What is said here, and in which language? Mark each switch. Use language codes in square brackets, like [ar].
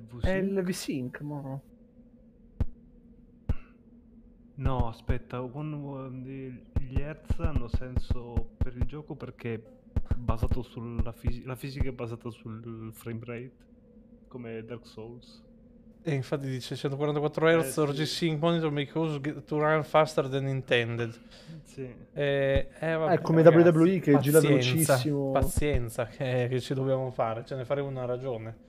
[it] V-sync. È il V-sync, ma no, aspetta, gli Hertz hanno senso per il gioco perché è basato sulla la fisica è basata sul frame rate, come Dark Souls. E infatti dice 144 Hz, sì. [en] G-Sync monitor make us to run faster than intended. [it] Sì. Vabbè, come ragazzi, WWE che gira velocissimo. Pazienza, che ci dobbiamo fare, ce ne faremo una ragione.